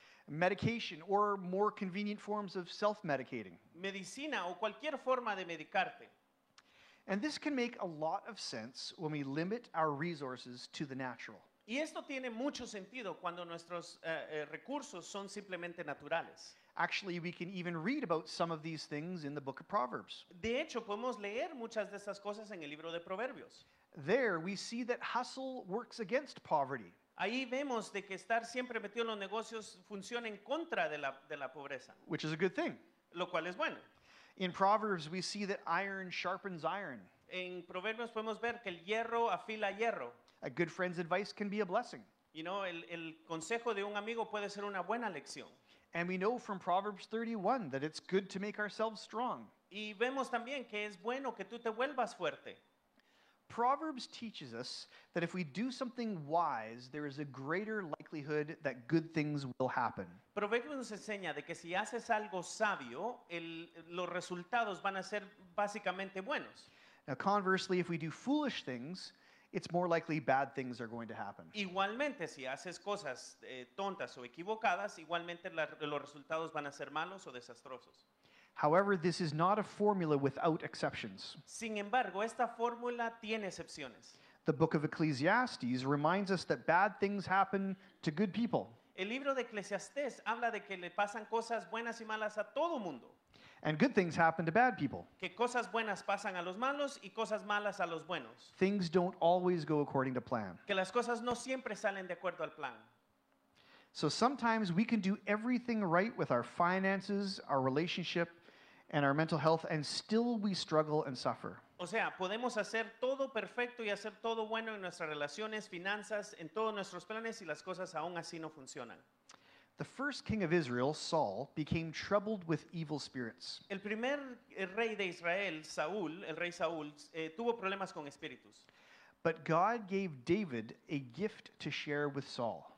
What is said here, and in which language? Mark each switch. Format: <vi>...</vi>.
<en>Medication or more convenient forms of self-medicating.</en> <es>Medicina o cualquier forma de medicarte.</es> <en>And this can make a lot of sense when we limit our resources to the natural.</en> <es>Y esto tiene mucho sentido cuando nuestros recursos son simplemente naturales.</es> <en>Actually, we can even read about some of these things in the book of Proverbs.</en> <es>De hecho, podemos leer muchas de estas cosas en el libro de Proverbios.</es> <en>There we see that hustle works against poverty.</en> <es>Ahí vemos de que estar siempre metido en los negocios funciona en contra de la pobreza.</es> <en>Which is a good thing.</en> <es>Lo cual es bueno.</es> <en>In Proverbs we see that iron sharpens iron.</en> <es>En Proverbios podemos ver que el hierro afila hierro.</es> <en>A good friend's advice can be a blessing. You know,</en> <es>el consejo de un amigo puede ser una buena lección.</es> <en>And we know from Proverbs 31 that it's good to make ourselves strong.</en> <es>Y vemos también que es bueno que tú te vuelvas fuerte.</es> <en>Proverbs teaches us that if we do something wise, there is a greater likelihood that good things will happen.</en> <es>Proverbios nos enseña de que si haces algo sabio, los resultados van a ser básicamente buenos.</es> <en>Now, conversely, if we do foolish things, it's more likely bad things are going to happen.</en> <es>Igualmente, si haces cosas tontas o equivocadas, igualmente los resultados van a ser malos o desastrosos.</es> <en>However, this is not a formula without exceptions.</en> <es>Sin embargo, esta fórmula tiene excepciones.</es> <en>The book of Ecclesiastes reminds us that bad things happen to good people.</en> <es>El libro de Eclesiastés habla de que le pasan cosas buenas y malas a todo mundo.</es> <en>And good things happen to bad people.</en> <es>Que cosas buenas pasan a los malos y cosas malas a los buenos.</es> <en>Things don't always go according to plan.</en> <es>Que las cosas no siempre salen de acuerdo al plan.</es> <en>So sometimes we can do everything right with our finances, our relationship, and our mental health, and still we struggle and suffer.</en> <es>O sea, podemos hacer todo perfecto y hacer todo bueno en nuestras relaciones, finanzas, en todos nuestros planes, y las cosas aún así no funcionan.</es> <en>The first king of Israel, Saul, became troubled with evil spirits.</en> <es>El primer rey de Israel, Saúl, el rey Saúl, tuvo problemas con espíritus.</es> <en>But God gave David a gift to share with Saul.</en>